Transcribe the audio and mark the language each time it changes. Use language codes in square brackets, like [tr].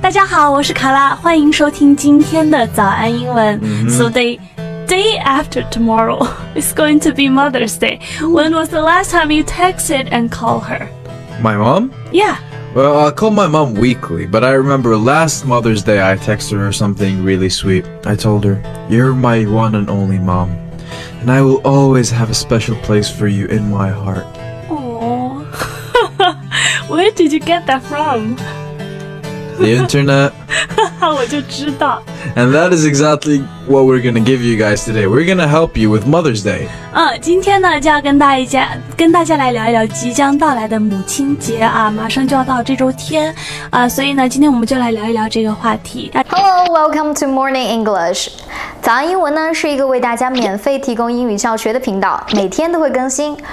[zh] 大家好，我是卡拉，欢迎收听今天的早安英文。 [en] Mm-hmm. So day after tomorrow is going to be Mother's Day. When was the last time you texted and called her? My mom? Yeah. Well, I call my mom weekly, but I remember last Mother's Day I texted her something really sweet. I told her, you're my one and only mom, and I will always have a special place for you in my heart. Where did you get that from? The internet. [zh] 我就知道。 [en] And that is exactly what we're going to give you guys today. We're going to help you with Mother's Day. [zh] 今天呢就要跟大家来聊一聊即将到来的母亲节啊，马上就要到这周天啊，所以呢今天我们就来聊一聊这个话题。 [en] Hello, welcome to Morning English. [zh] 早安英文呢是一个为大家免费提供英语教学的频道，每天都会更新。